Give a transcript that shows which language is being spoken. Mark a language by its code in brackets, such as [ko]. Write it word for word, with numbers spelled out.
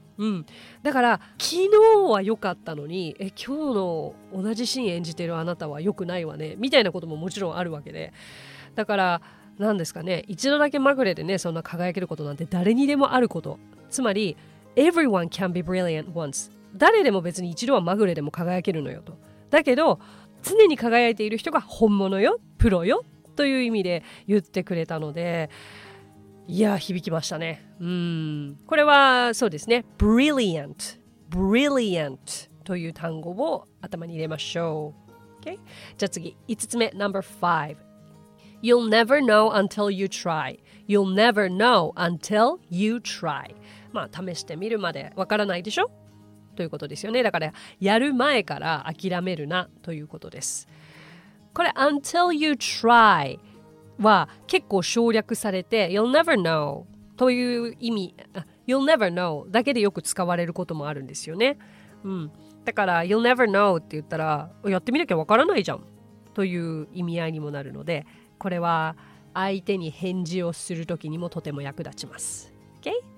[ja] うん、だから昨日は良かったのに、え今日の同じシーン演じてるあなたは良くないわねみたいなことももちろんあるわけで、だから何ですかね、一度だけまぐれでねそんな輝けることなんて誰にでもあること、つまり [en] Everyone can be brilliant once、 [ja] 誰でも別に一度はまぐれでも輝けるのよと、だけど常に輝いている人が本物よ、プロよという意味で言ってくれたので、いや響きましたね。うーん、これはそうですね、 Brilliant Brilliant という単語を頭に入れましょう、okay? じゃあ次いつつめ ナンバーファイブ [en] You'll never know until you try。 You'll never know until you try。 [ja] まあ試してみるまでわからないでしょということですよね。だからやる前から諦めるなということです。これ [en] until you try [ja] は結構省略されて [en] You'll never know [ja] という意味、 [en] You'll never know [ja] だけでよく使われることもあるんですよね、うん、だから You'll never know って言ったらやってみなきゃわからないじゃんという意味合いにもなるので、これは相手に返事をするときにもとても役立ちます、okay?